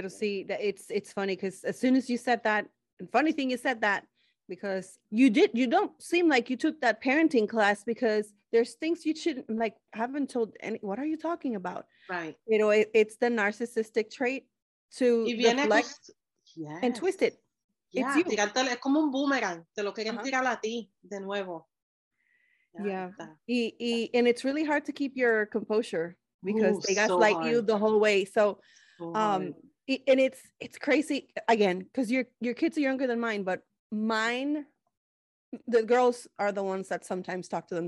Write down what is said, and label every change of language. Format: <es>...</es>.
<en>Pero see, it's funny because as soon as you said that, and funny thing, you said that, because you don't seem like you took that parenting class, because there's things you shouldn't, like, haven't told any, what are you talking about? Right. You know, it's the narcissistic trait to reflect and twist it. Yeah. It's you.</en> <es>Es como un boomerang. Te lo quieren tirar a ti de nuevo.</es> <en>Yeah. And it's really hard to keep your composure because they gaslight you the whole way. So it's crazy again, because your kids are younger than mine, but mine, the girls are the ones that sometimes talk to them.</en>